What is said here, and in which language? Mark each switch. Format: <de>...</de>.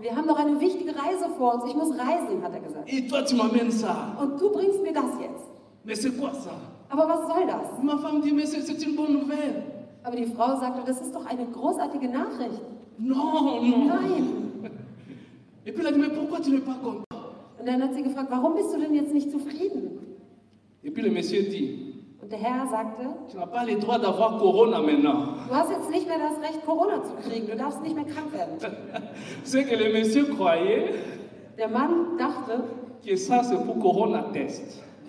<de>Wir haben noch eine wichtige Reise vor uns. Ich muss reisen, hat er gesagt.</de> <fr>Et toi, tu m'amènes ça.</fr> <de>Und du bringst mir das jetzt.</de> <fr>Mais c'est quoi ça?</fr> <de>Aber was soll das?</de> <fr>Ma femme dit, mais c'est une bonne nouvelle.</fr> <de>Aber die Frau sagte: Das ist doch eine großartige Nachricht.</de> <fr>Non.</fr> <de>Nein.</de> <fr>Et puis elle dit: Mais pourquoi tu n'es pas content?</fr> <de>Und dann hat sie gefragt: Warum bist du denn jetzt nicht zufrieden?</de> <fr>Et puis le monsieur dit,</fr> <de>und der Herr sagte:</de> <fr>Tu n'as pas le droit d'avoir Corona maintenant.</fr> <de>Du hast jetzt nicht mehr das Recht, Corona zu kriegen. Du darfst nicht mehr krank werden.</de> <fr>C'est que le monsieur croyait,</fr> <de>der Mann dachte,</de> <fr>que ça c'est pour Corona-Test.</fr>